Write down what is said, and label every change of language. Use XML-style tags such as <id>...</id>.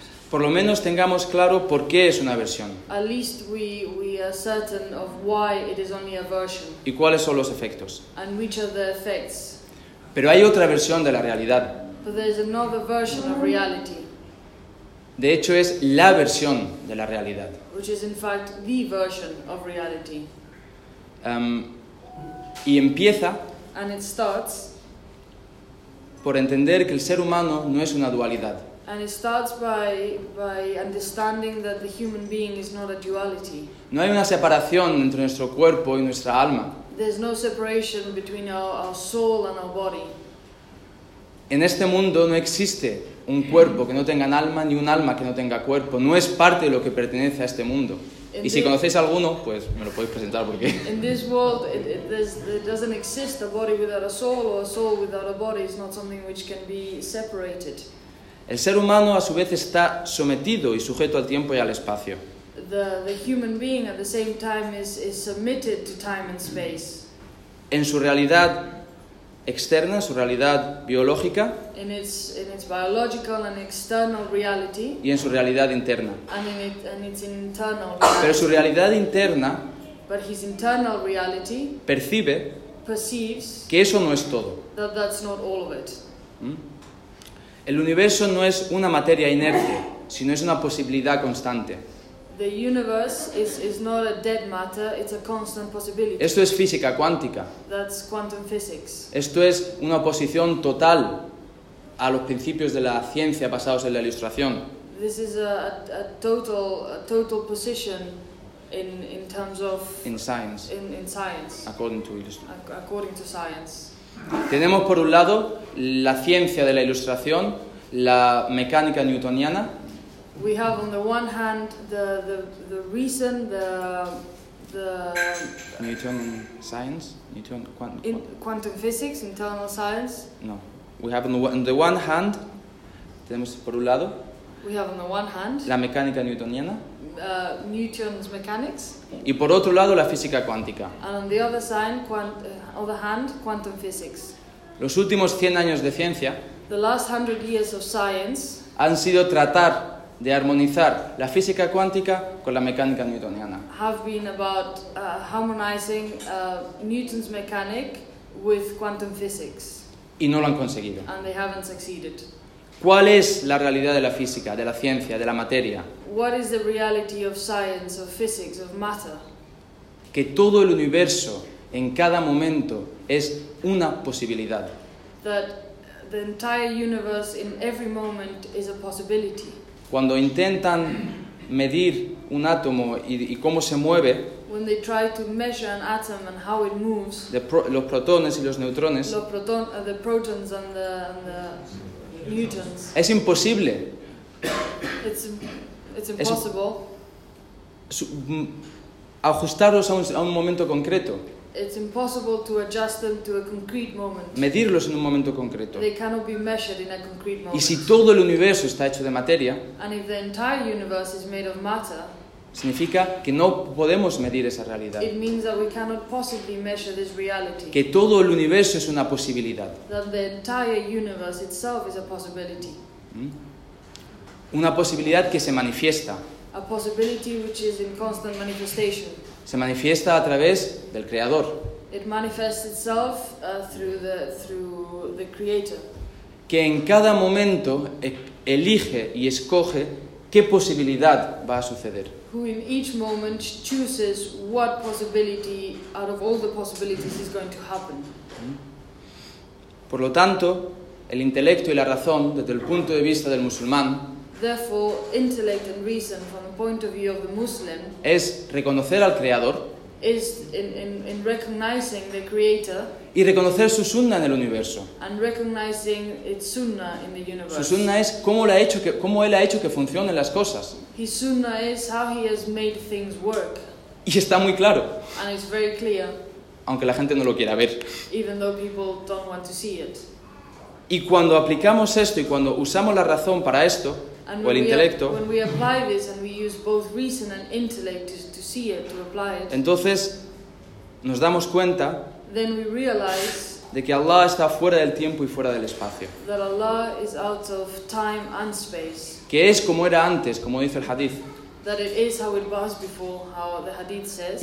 <es>Por lo menos tengamos claro por qué es una versión.</es> <en>At least we are certain of why it is only a version.</en> <es>Y cuáles son los efectos.</es> <en>And which are the effects.</en> <es>Pero hay otra versión de la realidad.</es> <en>But there is another version of reality.</en> <es>De hecho, es la versión de la realidad.</es> <en>Which is in fact the version of reality.</en> <es>Y empieza.</es> <en>And it starts.</en> <es>Por entender que el ser humano no es una dualidad.</es> <en>And it starts by understanding that the human being is not a duality.</en> <es>No hay una separación entre nuestro cuerpo y nuestra alma.</es> <en>There's no separation between our soul and our body.</en> <es>En este mundo no existe un cuerpo que no tenga alma ni un alma que no tenga cuerpo. No es parte de lo que pertenece a este mundo. Y si conocéis alguno, pues me lo podéis presentar porque.</es> <en>In this world, it doesn't exist a body without a soul or a soul without a body. It's not something which can be separated.</en> <es>El ser humano a su vez está sometido y sujeto al tiempo y al espacio.</es> <en>The human being at the same time is submitted to time and space.</en> <es>En su realidad externa, su realidad biológica.</es> <en>In its biological and external reality.</en> <es>Y en su realidad interna.</es> <en>And in its internal reality.</en> <es>Pero su realidad interna.</es> <en>But his internal reality.</en> <es>Percibe.</es> <en>Perceives.</en> <es>Que eso no es todo.</es> <en>That's not all of it.</en> <es>El universo no es una materia inerte, sino es una posibilidad constante.</es> <en>The universe is not a dead matter, it's a constant possibility.</en> <es>Esto es física cuántica.</es> <en>That's quantum physics.</en> <es>Esto es una oposición total a los principios de la ciencia basados en la ilustración.</es> <en>This is a total position in terms of in science. In science. According to ilustration. According to science.</en> <es>Tenemos por un lado la ciencia de la ilustración, la mecánica newtoniana.</es> <en>We have on the one hand the reason, the Newtonian science, Newton quantum physics, internal science. No, we have on the one hand</en> <es>tenemos por un lado.</es> <en>We have on the one hand</en> <es>la mecánica newtoniana.</es> <en>Newton's mechanics.</en> <es>Y por otro lado la física cuántica.</es> <en>And on the other side, other hand, quantum physics.</en> <es>Los últimos 100 años de ciencia.</es> <en>The last 100 years of science.</en> <es>Han sido tratar de armonizar la física cuántica con la mecánica newtoniana.</es> <en>Have been about harmonizing Newton's mechanics with quantum physics.</en> <es>Y no lo han conseguido.</es> <en>And they haven't succeeded.</en> <es>¿Cuál es la realidad de la física, de la ciencia, de la materia?</es> <en>What is the reality of science, of physics, of matter?</en> <es>Que todo el universo en cada momento es una posibilidad.</es> <en>That the entire universe in every moment is a possibility.</en> <es>Cuando intentan medir un átomo y cómo se mueve,</es> <en>when they try to measure an atom and how it moves,</en> <es>los protones y los neutrones,</es> <en>the protons and the Newtons.</en> <es>Es imposible.</es> <en>It's impossible.</en> <es>Ajustarlos a un momento concreto.</es> <en>It's impossible to adjust them to a concrete moment.</en> <es>Medirlos en un momento concreto.</es> <en>They cannot be measured in a concrete moment.</en> <es>Y si todo el universo está hecho de materia.</es> <en>And if the entire universe is made of matter.</en> <es>Significa que no podemos medir esa realidad.</es> <en>It means that we cannot possibly measure this reality.</en> <es>Que todo el universo es una posibilidad.</es> <en>That the entire universe itself is a possibility.</en> <es>Una posibilidad que se manifiesta.</es> <en>A possibility which is in constant manifestation.</en> <es>Se manifiesta a través del Creador.</es> <en>It manifests itself through the Creator.</en> <es>Que en cada momento elige y escoge qué posibilidad va a suceder.</es> <en>Who in each moment chooses what possibility out of all the possibilities is going to happen.</en> <es>Por lo tanto, el intelecto y la razón, desde el punto de vista del musulmán,</es> <en>therefore, intellect and reason, from the point of view of the Muslim,</en> <es>es reconocer al Creador,</es> <en>is in recognizing the Creator,</en> <es>y reconocer su sunna en el universo.</es> <en>And recognizing its sunna in the universe.</en> <es>Su sunna es cómo él ha hecho que funcionen las cosas.</es> <en>His sunna is how he has made things work.</en> <es>Y está muy claro.</es> <en>And it's very clear.</en> <es>Aunque la gente no lo quiera ver.</es> <en>Even though people don't want to see it.</en> <es>Y cuando aplicamos esto y cuando usamos la razón para esto,</es> <en>and</en> <es>o el intelecto,</es> <en>when we apply this and we use both reason and intellect to see it, to apply it,</en> <es>entonces nos damos cuenta,</es> <en>then we realize,</en> <es>de que Allah está fuera del tiempo y fuera del espacio.</es> <en>That Allah is out of time and space.</en> <es>Que es como era antes, como dice el hadith.</es> <en>That it is how it was before, how the hadith says.</en>